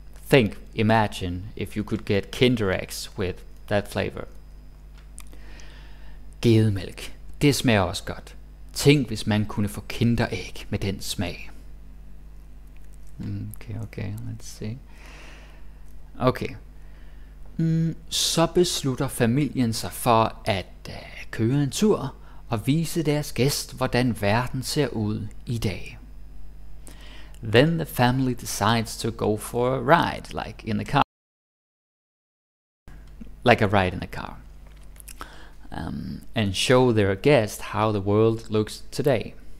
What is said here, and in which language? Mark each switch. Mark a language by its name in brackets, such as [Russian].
[English] Think, imagine, if you could get Kinder Eggs with that flavor. [Danish] Gedemælk. Det smager også godt. Tænk, hvis man kunne få kinderæg med den smag. [English] Okay, let's see. [Danish] Okay. Så beslutter familien sig for at køre en tur og vise deres gæst, hvordan verden ser ud i dag. [English] Then the family decides to go for a ride, like in the car. Like a ride in the car. And show their guest how the world looks today.